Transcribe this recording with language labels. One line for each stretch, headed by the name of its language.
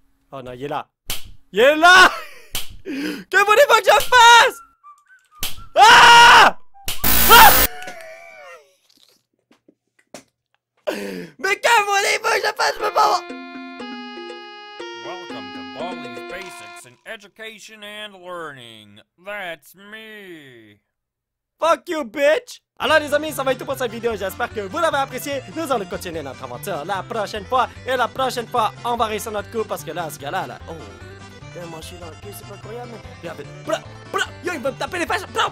French: Oh non, il est là. Il est là! Que voulez-vous que je fasse? Ah! Ah! Mais que voulez-vous que je fasse, maman?
English: Welcome to Bowling Basics in Education and Learning. That's me. Fuck you, bitch!
French: Alors les amis, ça va être tout pour cette vidéo, j'espère que vous l'avez apprécié. Nous allons continuer notre aventure la prochaine fois. Et la prochaine fois, on va réussir notre coup parce que là, ce gars-là, là... Oh, tellement chier dans le cul, c'est pas incroyable. Mais... Yo, il va me taper les fesses!